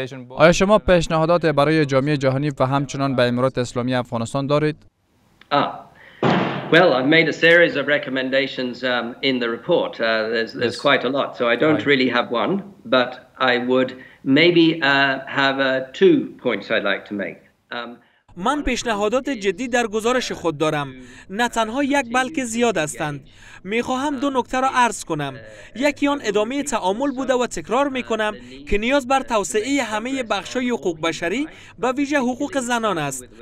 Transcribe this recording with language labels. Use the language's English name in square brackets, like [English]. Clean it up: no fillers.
[Persian] آیا شما پیشنهادات برای جامعه جهانی و همچنان به امارات اسلامی افغانستان دارید؟ [English] Well, I've made a series of recommendations in the report. There's quite a lot, so I don't really have one, but I would maybe have two points I'd like to make. [Persian] من پیشنهادات جدی در گزارش خود دارم. نه تنها یک بلکه زیاد هستند. می خواهم دو نکته را عرض کنم. یکی آن ادامه تعامل بوده و تکرار می کنم که نیاز بر توسعه همه بخش های حقوق بشری و ویژه حقوق زنان است.